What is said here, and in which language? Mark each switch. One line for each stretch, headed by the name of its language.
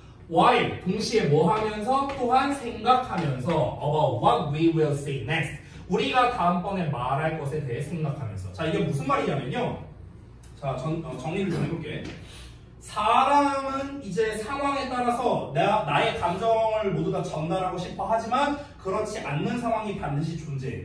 English: Why?
Korean: 동시에 뭐 하면서 또한 생각하면서
English: about what we will say next.
Korean: 우리가 다음번에 말할 것에 대해 생각하면서. 자, 이게 무슨 말이냐면요. 자, 정리를 좀 해볼게. 사람은 이제 상황에 따라서 나의 감정을 모두 다 전달하고 싶어 하지만 그렇지 않는 상황이 반드시 존재해.